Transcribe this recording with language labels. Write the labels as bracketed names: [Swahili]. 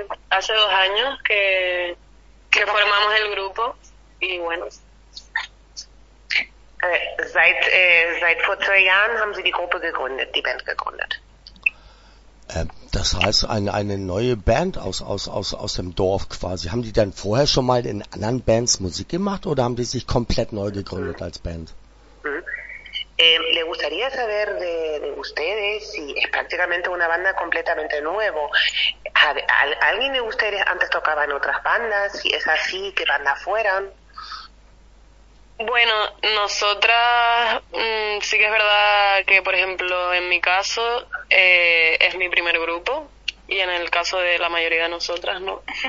[Spanish] Hace dos años que formamos el grupo y bueno. [German] Seit vor zwei Jahren haben sie die Band gegründet. Das heißt, eine neue Band aus dem Dorf quasi. Haben die dann vorher schon mal in anderen Bands Musik gemacht oder haben die sich komplett neu gegründet als Band? [Spanish] Le gustaría saber de ustedes si es prácticamente una banda completamente nuevo. ¿Alguien de ustedes antes tocaba en otras bandas? Si es así, ¿qué banda fueran? Bueno, nosotras sí que es verdad que, por ejemplo, en mi caso es mi primer grupo y en el caso de la mayoría de nosotras no.